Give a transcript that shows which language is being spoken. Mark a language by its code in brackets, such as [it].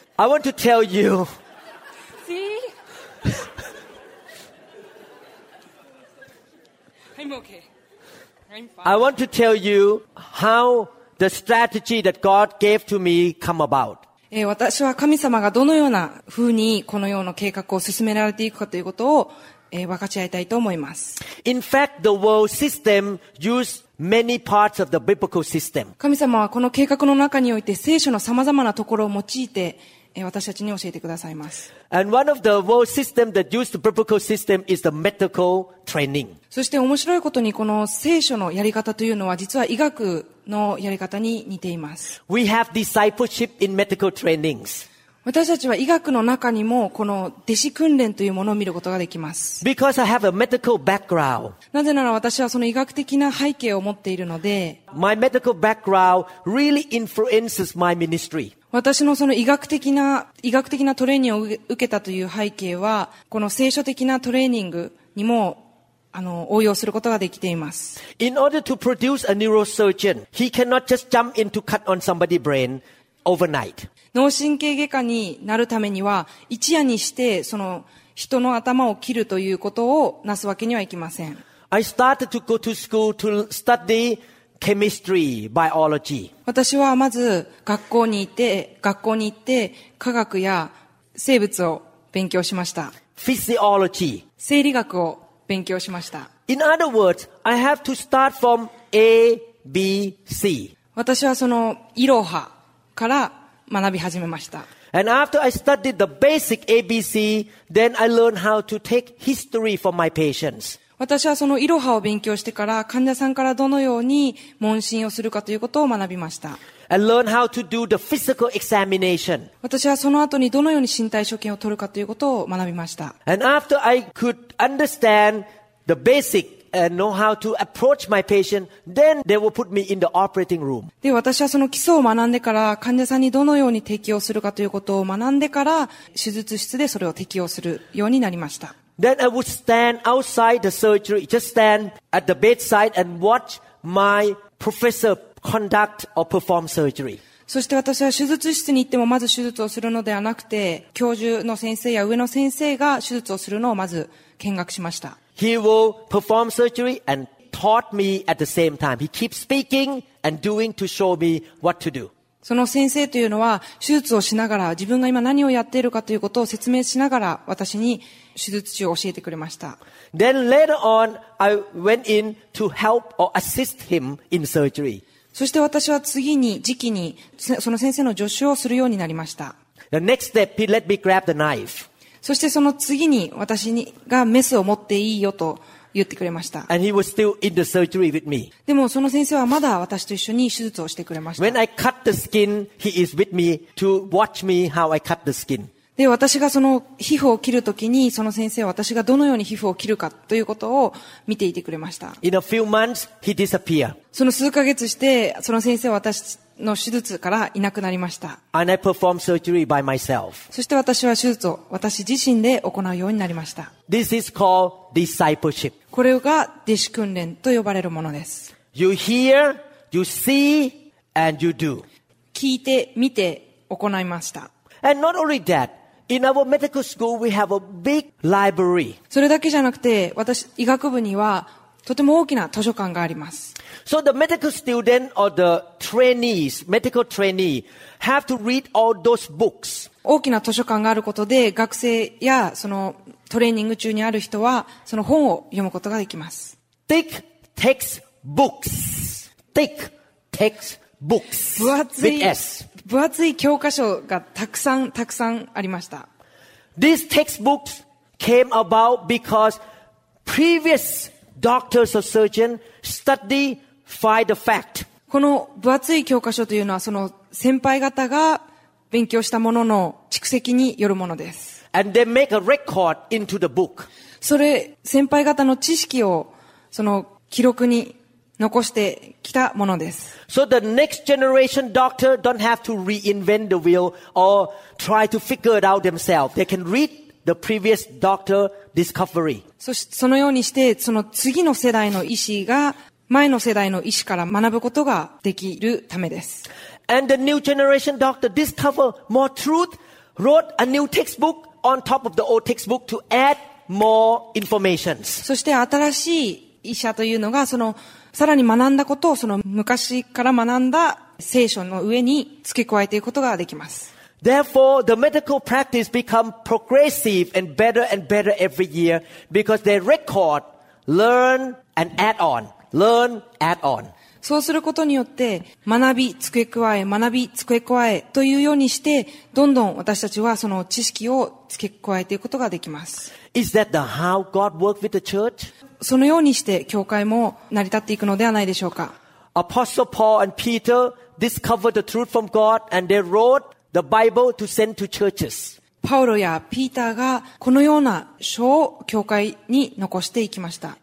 [en] I want to tell you. See? I'm okay. I'm fine. I want to tell you how the strategy that God gave to me come about. [ja] 私は神様がどのような風にこのような計画を進められていくかということを、分かち合いたいと思います。 [en] In fact, the world system used many parts of the biblical system. [ja] 神様はこの計画の中において聖書の様々なところを用いて、私たちに教えてくださいます。 [en] And one of the world system that used the biblical system is the medical training. [ja] そして面白いことにこの聖書のやり方というのは実は医学のやり方に似ています。 [en] We have discipleship in medical trainings. [ja] 私たちは医学の中にもこの弟子訓練というものを見ることができます。 [en] Because I have a medical background. [ja] なぜなら私はその医学的な背景を持っているので、 [en] My medical background really influences my ministry. [ja] 私のその医学的なトレーニングを受けたという背景は、この聖書的なトレーニングにも応用することができています。 [en] In order to produce a neurosurgeon, he cannot just jump in to cut on somebody's brain overnight. [ja] 脳神経外科になるためには、一夜にしてその人の頭を切るということをなすわけにはいきません。 [en] I started to go to school to study chemistry, biology. [ja] 私はまず学校に行って科学や生物を勉強しました。 [en] Physiology. [ja] 生理学を勉強しました。 [en] In other words, I have to start from A, B, C. [ja] 私はそのイロハから学び始めました。 [en] And after I studied the basic A, B, C, then I learned how to take history from my patients. [ja] 私はそのイロハを勉強してから患者さんからどのように問診をするかということを学びました。 [en] And learn how to do the physical examination. [ja] 私はその後にどのように身体所見を取るかということを学びました。 [en] And after I could understand the basic and know how to approach my patient, then they will put me in the operating room. [ja] で、私はその基礎を学んでから患者さんにどのように適応するかということを学んでから手術室でそれを適応するようになりました。 [en] Then I would stand outside the surgery, just stand at the bedside and watch my professor. Conduct or perform surgery. [ja] そして私は手術室に行ってもまず手術をするのではなくて、教授の先生や上の先生が手術をするのをまず見学しました。 [en] He will perform surgery and taught me at the same time. He keeps speaking and doing to show me what to do. [ja] その先生というのは手術をしながら自分が今何をやっているかということを説明しながら私に手術中を教えてくれました。 [en] Then later on, I went in to help or assist him in surgery. [ja] そして私は次に、時期に、その先生の助手をするようになりました。 [en] The next step, he let me grab the knife. [ja] そしてその次に、私にがメスを持っていいよと言ってくれました。 [en] And he was still in the surgery with me. [ja] でもその先生はまだ私と一緒に手術をしてくれました。 [en] When I cut the skin, he is with me to watch me how I cut the skin. [ja] で、私がその皮膚を切るときに、その先生は私がどのように皮膚を切るかということを見ていてくれました。 [en] In a few months, he disappeared. [ja] その数ヶ月して、その先生は私の手術からいなくなりました。 [en] And I performed surgery by myself. [ja] そして私は手術を私自身で行うようになりました。 [en] This is called discipleship. [ja] これが弟子訓練と呼ばれるものです。 [en] You hear, you see, and you do. [ja] 聞いて、見て、行いました。 [en] And not only that, in our medical school we have a big library. [ja] それだけじゃなくて、私、医学部にはとても大きな図書館があります。 [en] So the medical student or the trainees, medical trainee, have to read all those books. [ja] 大きな図書館があることで、学生やそのトレーニング中にある人は、その本を読むことができます。 [en] Thick textbooks. Thick textbooks. [ja] 分厚い教科書がたくさんありました。 [en] These textbooks came about because previous doctors or surgeons studyFind the fact. [ja] この分厚い教科書というのはその先輩方が勉強したものの蓄積によるものです。 [en] And they make a record into the book. [ja] それ先輩方の知識をその記録に残してきたものです。 [en] So the next generation doctor don't have to reinvent the wheel or try to figure it out themselves. They can readThe previous doctor discovery. [ja] そのようにして、その次の世代の医師が前の世代の医師から学ぶことができるためです。 [en] And the new generation doctor discovered more truth, wrote a new textbook on top of the old textbook to add more information. [ja] そして新しい医者というのが、そのさらに学んだことをその昔から学んだ聖書の上に付け加えていくことができます。 [en] Therefore, the medical practice become progressive and better every year because they record, learn, and add on. Learn, add on. [ja] そうすることによって、学び付け加えというようにして、どんどん私たちはその知識を付け加えていくことができます。 [en] Is that the how God worked with the church? [ja] そのようにして教会も成り立っていくのではないでしょうか。 [en] Apostle Paul and Peter discovered the truth from God and they wrote,The Bible to send to churches. [ja] パウロやピーターがこのような書を教会に残していきました。